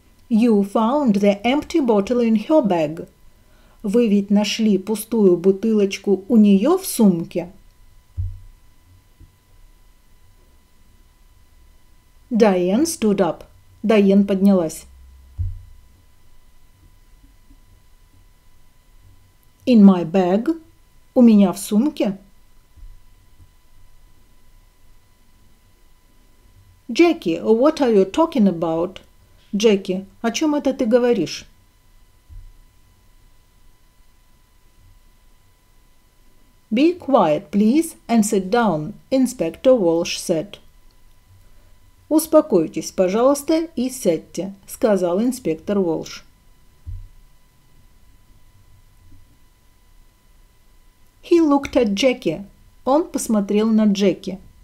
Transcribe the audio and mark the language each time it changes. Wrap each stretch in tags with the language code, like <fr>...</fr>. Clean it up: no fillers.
<en>You found the empty bottle in her bag.</en> <ru>Вы ведь нашли пустую бутылочку у нее в сумке?</ru> <en>Diane stood up.</en> <ru>Diane поднялась.</ru> <en>In my bag?</en> <ru>У меня в сумке?</ru> <en>Jackie, what are you talking about?</en> <ru>Джеки, о чем это ты говоришь?</ru> <en>Be quiet, please, and sit down, Inspector Walsh said.</en> <ru>Успокойтесь, пожалуйста, и сядьте, сказал инспектор Уолш.</ru> <en>He looked at Jackie.</en> <ru>Он посмотрел на Джеки.</ru>